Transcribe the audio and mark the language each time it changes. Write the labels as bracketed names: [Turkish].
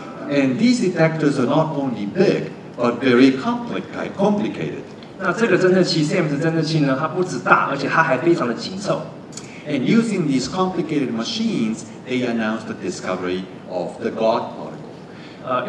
[English] And these detectors are not only big, but very complicated. [Chinese] 那这个侦测器 SAMS 侦测器呢，它不止大，而且它还非常的紧凑。 [English] And using these complicated machines, they announced the discovery of the God particle.